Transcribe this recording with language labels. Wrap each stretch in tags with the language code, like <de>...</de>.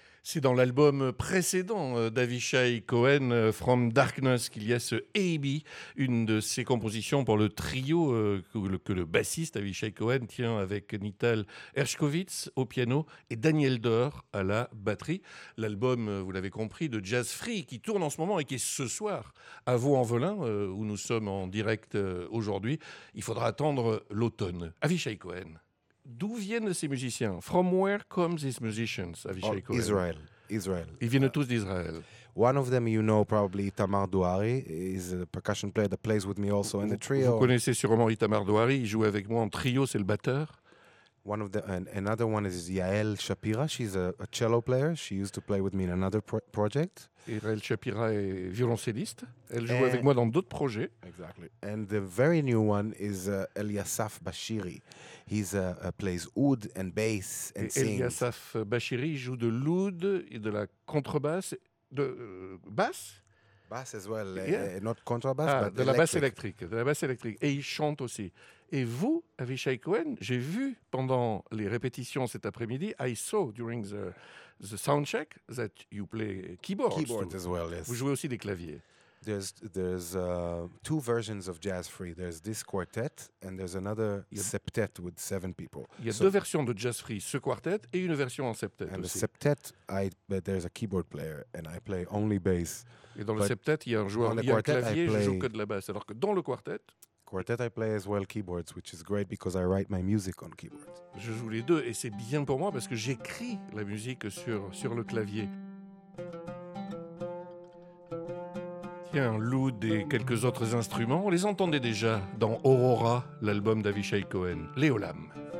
<fr>C'est dans l'album précédent d'Avishai Cohen, From Darkness, qu'il y a ce A.B., une de ses compositions pour le trio que le bassiste Avishai Cohen tient avec Nital Hershkovitz au piano et Daniel Doerr à la batterie. L'album, vous l'avez compris, de Jazz Free, qui tourne en ce moment et qui est ce soir à Vaux-en-Velin, où nous sommes en direct aujourd'hui. Il faudra attendre l'automne. Avishai Cohen. D'où viennent ces musiciens?</fr> <en>From where come these musicians, Avishai Cohen? Israel.</en> <fr>Ils viennent tous d'Israël.</fr> <en>One of them you know probably, Itamar Douari, is a percussion player that plays with me also in the trio.</en> <fr>Vous connaissez sûrement Itamar Douari, il joue avec moi en trio, c'est le batteur.</fr> <en>One of the another one is Yael Shapira, she's a cello player, she used to play with me in another project.</en> <fr>Yael Shapira est violoncelliste, elle joue avec moi dans d'autres projets.</fr> <en>Exactly. And the very new one is Eliasaf Bashiri. He's plays oud and bass and sings.</en> <fr>Eliasaf Bashiri joue de l'oud et de la contrebasse de basse.</fr> <en>Bass as well, not contrabass, but</en> <fr>de la basse électrique, de la basse électrique. Et il chante aussi. Et vous, Avishai Cohen, j'ai vu pendant les répétitions cet après-midi,</fr> <en>I saw during the sound check that you play keyboards. Keyboards as well, yes.</en> <fr>Vous jouez aussi des claviers.</fr> <en>There's two versions of Jazz Free. There's this quartet and there's another septet with seven people.</en> <fr>Il y a deux versions de Jazz Free, ce quartet et une version en septet.</fr> <en>And the septet, but there's a keyboard player and I play only bass.</en> <fr>Et dans le septet, il y a un joueur, il y a un clavier, je joue que de la basse. Alors que dans le quartet.</fr> <en>Quartet, I play as well keyboards, which is great because I write my music on keyboards.</en> <fr>Je joue les deux et c'est bien pour moi parce que j'écris la musique sur le clavier. Tiens, l'oud et quelques autres instruments, on les entendait déjà dans Aurora, l'album d'Avishai Cohen, Léolam.</fr>